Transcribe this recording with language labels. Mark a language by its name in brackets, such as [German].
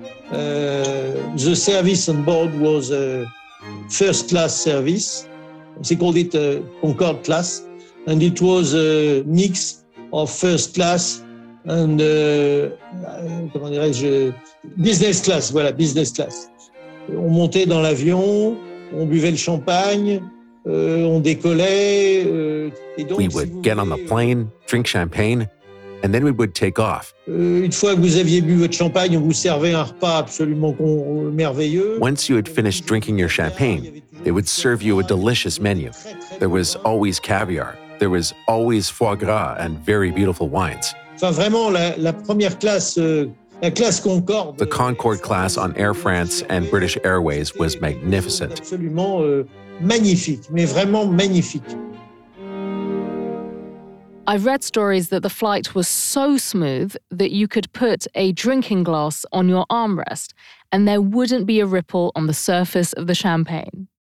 [English] The service on board was a first-class service. They called it a Concorde class, and it was a mix of first class and business class. Voilà, business class. [French] On montait dans l'avion, on buvait le champagne, on décollait. [English] We would get on the plane, drink champagne, and then we would take off. [French] Une fois que vous aviez bu votre champagne, on vous servait un repas absolument merveilleux. [English] Once you had finished drinking your champagne, they would serve you a delicious menu. There was always caviar. There was always foie gras and very beautiful wines. [French] Enfin, vraiment, la première classe, la classe Concorde. [English] The Concorde class on Air France and British Airways was magnificent. [French] Absolument magnifique, mais vraiment magnifique. [English] I've read stories that the flight was so smooth that you could put a drinking glass on your armrest and there wouldn't be a ripple on the surface of the champagne.